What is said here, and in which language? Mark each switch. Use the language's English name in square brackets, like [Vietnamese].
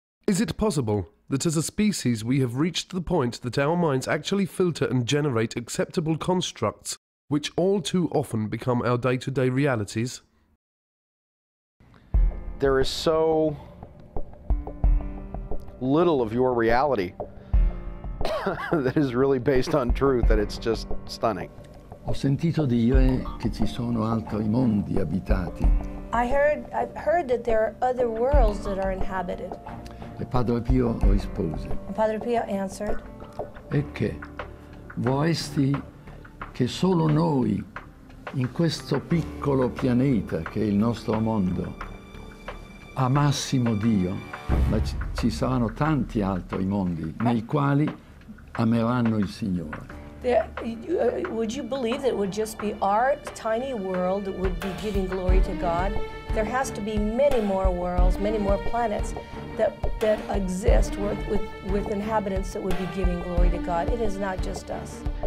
[English] Is it possible that as a species we have reached the point that our minds actually filter and generate acceptable constructs which all too often become our day-to-day realities? There is so little of your reality that is really based on truth that it's just stunning. [Italian] Ho sentito dire che ci sono altri mondi abitati. [English] I've heard that there are other worlds that are inhabited. [Italian] E Padre Pio rispose. [English] Padre Pio answered. [Italian] E che vorresti che solo noi in questo piccolo pianeta che è il nostro mondo amassimo Dio, ma ci saranno tanti altri mondi nei quali ameranno il Signore. [English] Would you believe that it would just be our tiny world that would be giving glory to God? There has to be many more worlds, many more planets that exist with inhabitants that would be giving glory to God. It is not just us.